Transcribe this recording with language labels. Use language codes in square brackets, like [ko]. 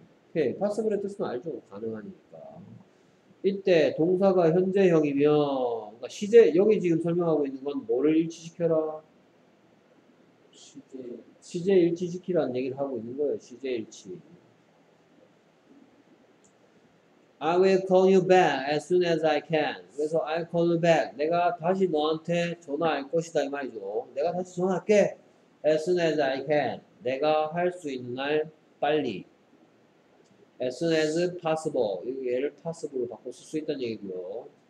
[ko] Okay, possible의 뜻은 알죠. 가능하니까. 이때 동사가 현재형이면 그러니까 시제 여기 지금 설명하고 있는 건 뭐를 일치시켜라? 시제 일치시키라는 얘기를 하고 있는 거예요. 시제 일치. [en] I will call you back as soon as I can. [ko] 그래서 [en] I'll call you back. [ko] 내가 다시 너한테 전화할 것이다 이 말이죠. 내가 다시 전화할게. [en] As soon as I can. [ko] 내가 할 수 있는 날 빨리. [en] As soon as possible. [ko] 이거 얘를 possible로 바꿔 쓸 수 있다는 얘기고요.